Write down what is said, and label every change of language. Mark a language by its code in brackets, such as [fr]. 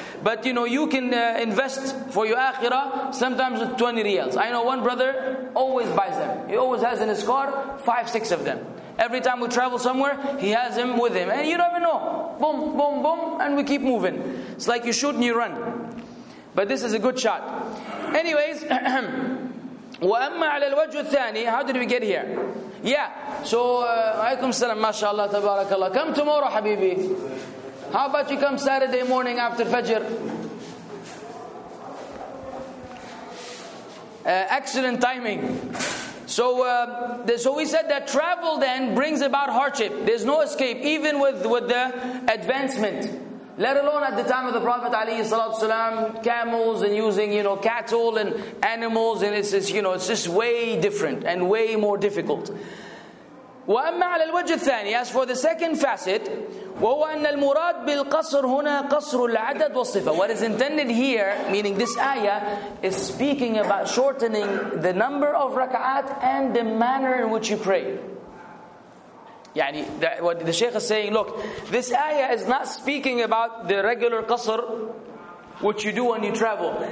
[en] But you can invest for your Akhirah sometimes with 20 riyals. I know one brother always buys them. He always has in his car 5-6 of them. Every time we travel somewhere, he has him with him. And you don't even know. Boom, boom, boom, and we keep moving. It's like you shoot and you run. But this is a good shot. [ar] Anyways, وَأَمَّا عَلَى الْوَجْهُ الثَّانِي. [en] How did we get here? [ar] Yeah, so, عَلَيْكُمْ السَّلَامُ مَاشَاءَ تَبَارَكَ اللَّهُ. [en] Come tomorrow, Habibi. How about you come Saturday morning after Fajr? Excellent timing. So we said that travel then brings about hardship. There's no escape, even with the advancement. Let alone at the time of the Prophet alayhi salatu wasalam, camels and using cattle and animals, and it's just way different and way more difficult. [ar] وَأَمَّا عَلَى الْوَجْهِ الثَّانِي. [en] As for the second facet, [ar] وَهُوَ أَنَّ الْمُرَادْ بِالْقَصْرِ هُنَا قَصْرُ الْعَدَدْ وَالصِّفَةِ. [en] What is intended here, meaning this ayah, is speaking about shortening the number of rak'at and the manner in which you pray. What the shaykh is saying, look, this ayah is not speaking about the regular qasr, which you do when you travel.